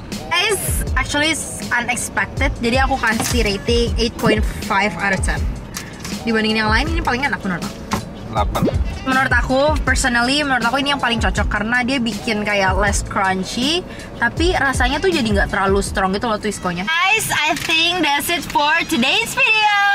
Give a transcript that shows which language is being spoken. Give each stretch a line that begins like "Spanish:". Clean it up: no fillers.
English: It's actually it's unexpected.
Indonesian: Jadi aku kasih rating 8.5 out of 10. Dibandingin yang lain ini paling enak menurut aku. 8. Menurut aku personally, menurut aku ini yang paling cocok karena dia bikin kayak less crunchy, tapi rasanya tuh jadi enggak terlalu strong gitu loh Twisco-nya.
English: Guys, I think that's it for today's video.